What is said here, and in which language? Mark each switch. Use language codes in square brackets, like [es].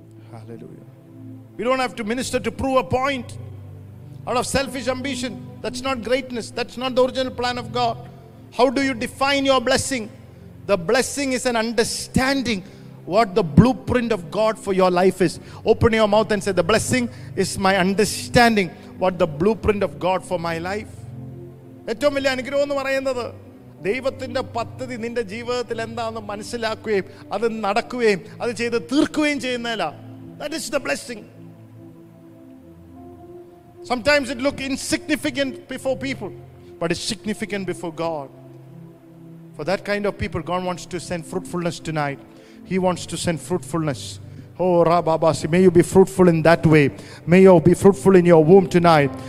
[en] Hallelujah. We don't have to minister to prove a point out of selfish ambition. That's not greatness. That's not the original plan of God. How do you define your blessing? The blessing is an understanding what the blueprint of God for your life is. Open your mouth and say, the blessing is my understanding what the blueprint of God for my life. [ml] ഏറ്റവും വലിയ അനുഗ്രഹം എന്ന് പറയുന്നത് ദൈവത്തിന്റെ പദ്ധതി നിന്റെ ജീവിതത്തിൽ എന്താണെന്ന് മനസ്സിലാക്കുകയും അത് നടക്കുകയും അത് ചെയ്ത് തീർക്കുകയും ചെയ്യുന്നതല്ല. [en] That is the blessing. Sometimes it looks insignificant before people, but it's significant before God. For that kind of people, God wants to send fruitfulness tonight. He wants to send fruitfulness. Oh, Rababasi, may you be fruitful in that way. May you be fruitful in your womb tonight.